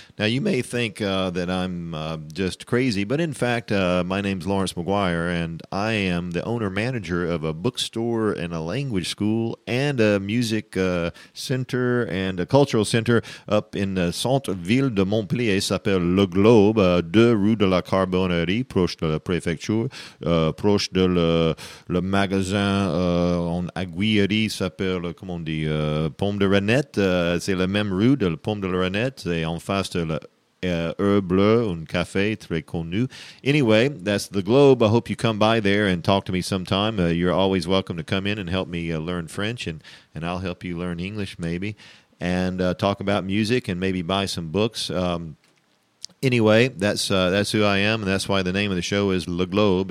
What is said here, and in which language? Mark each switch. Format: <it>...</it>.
<en>Now you may think that I'm just crazy, but in fact my name's Lawrence McGuire, and I am the owner manager of a bookstore and a language school and a music center and a cultural center up in the</en> <fr>centre-ville de Montpellier. S'appelle Le Globe, deux rue de la Carbonnerie, proche de la préfecture, proche de le magasin en aiguillerie, s'appelle, comment on dit, Pomme de Renette, c'est la même rue de la Pomme de la Renette, c'est en face de la Heure Bleue, un café très connu.</fr> <en>Anyway, that's the Globe. I hope you come by there and talk to me sometime. You're always welcome to come in and help me learn French, and I'll help you learn English, maybe, and talk about music and maybe buy some books. Anyway, that's who I am, and that's why the name of the show is Le Globe.</en>